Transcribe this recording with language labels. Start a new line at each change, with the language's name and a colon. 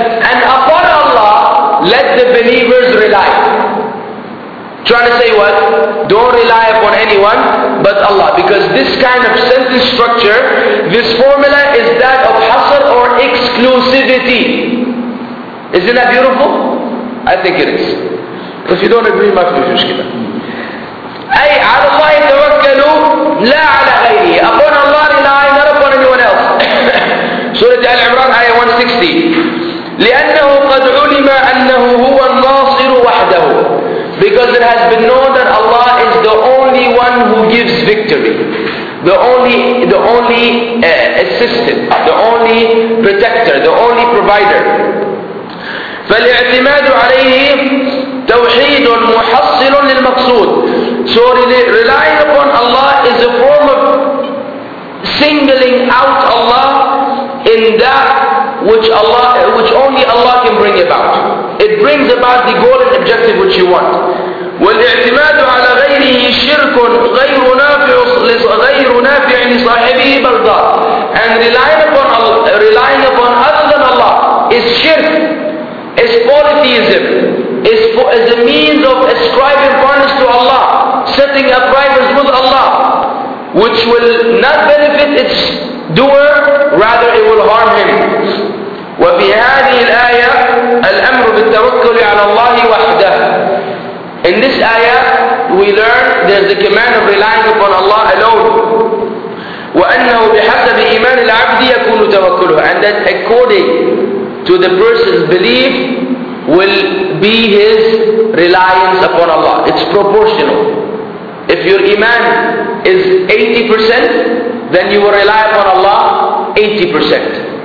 English: And upon Allah, let the believers rely. Trying to say what? Don't rely upon anyone but Allah. Because this kind of sentence structure, this formula is that of hasr or exclusivity. Isn't that beautiful? I think it is. If you don't agree, much with mushkila.
Arabic: أي على الله يتوكلوا لا على غيره.
English: Upon Allah rely, not upon anyone else.
Arabic: سورة آل عمران آية 160. لأنه قد علم أنه هو الناصر وحده.
English: Because it has been known that Allah is the only one who gives victory, the only assistant, the only protector, the only provider.
Arabic: فالاعتماد عليه توحيد محصل للمقصود.
English: So relying upon Allah is a form of singling out Allah in that which only Allah can bring about. It brings about the goal and objective which you want.
Arabic: والاعتماد على غيره شرك غير نافع لصاحبه برضا.
English: And relying upon other than Allah is shirk, is polytheism, is a means of ascribing partners to Allah, setting up rivals with Allah, which will not benefit its doer, rather it will harm him.
Arabic: وفي هذه الآية الأمر بالتوكل على الله وحده.
English: In this ayah, we learn there's a command of relying upon Allah alone.
Arabic: وأنه بحسب إيمان العبد يكون توكله.
English: And that according to the person's belief will be his reliance upon Allah. It's proportional. If your iman is 80%, then you will rely upon Allah 80%.